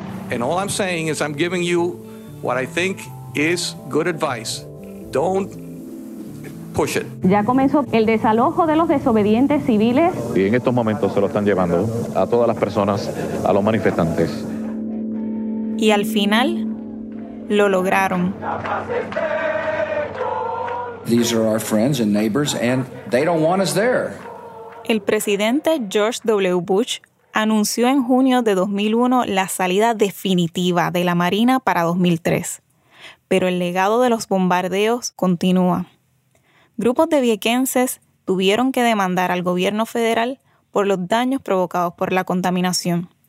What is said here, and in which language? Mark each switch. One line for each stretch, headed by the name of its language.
English: And all I'm saying is I'm giving you what I think is good advice. Don't push it.
Spanish: Ya comenzó el desalojo de los desobedientes civiles. Y en estos momentos se lo están llevando a todas las personas, a los manifestantes. Y al final, lo lograron.
English: These are our friends and neighbors, and they don't want us there.
Spanish: El presidente George W. Bush anunció en junio de 2001 la salida definitiva de la Marina para 2003. Pero el legado de los bombardeos continúa. Grupos de viequenses tuvieron que demandar al gobierno federal por los daños provocados por la contaminación.